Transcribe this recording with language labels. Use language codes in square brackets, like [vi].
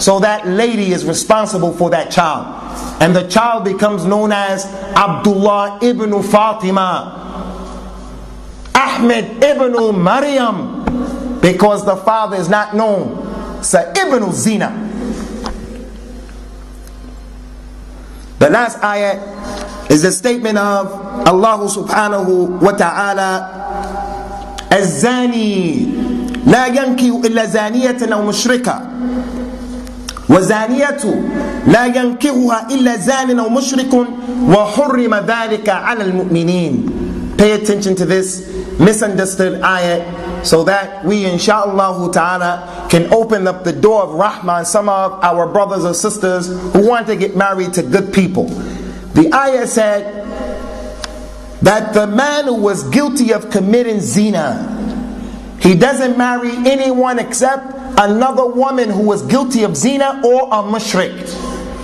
[en] So that lady is responsible for that child. And the child becomes known as Abdullah ibn Fatima, Ahmed ibn Maryam, because the father is not known. So ibn Zina. The last ayah is the statement of Allah subhanahu wa ta'ala, [ar] الزاني لا ينكح إلا زانية أو مشركة وزانية لا ينكحها إلا زان أو مشرك وحرم ذلك على المؤمنين. [en] Pay attention to this misunderstood ayah so that we inshallah ta'ala can open up the door of rahmah and some of our brothers or sisters who want to get married to good people. The ayah said that the man who was guilty of committing zina, he doesn't marry anyone except another woman who was guilty of zina or a mushrik.